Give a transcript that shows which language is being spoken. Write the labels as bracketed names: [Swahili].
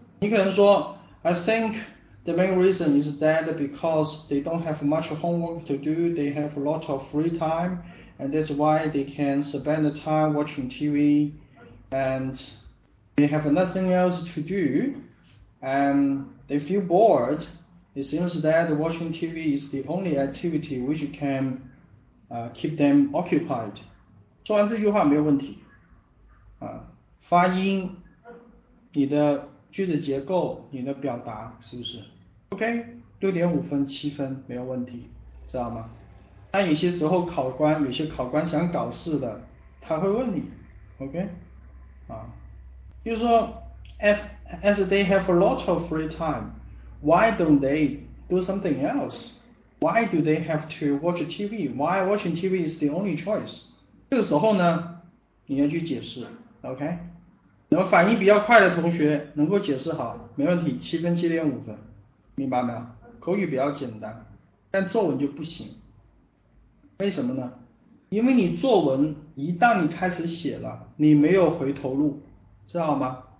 [Chinese] 你可能说， [English] I think the main reason is that because they don't have much homework to do, they have a lot of free time, and that's why they can spend the time watching TV, and they have nothing else to do, and they feel bored. It seems that watching TV is the only activity which can keep them occupied. [Chinese] 说完这句话没有问题，发音，你的句子结构，你的表达是不是？OK，6.5分、7分没有问题，知道吗？但有些时候有些考官想搞事的，他会问你，OK，就是说， [English] as they have a lot of free time，why don't they do something else？Why do they have to watch TV？Why watching TV is the only choice？ [Chinese] 这个时候呢，你要去解释，OK。然后反应比较快的同学能够解释好，没问题，7分、7.5分，明白没有？口语比较简单，但作文就不行。为什么呢？因为你作文一旦你开始写了，你没有回头路，知道吗？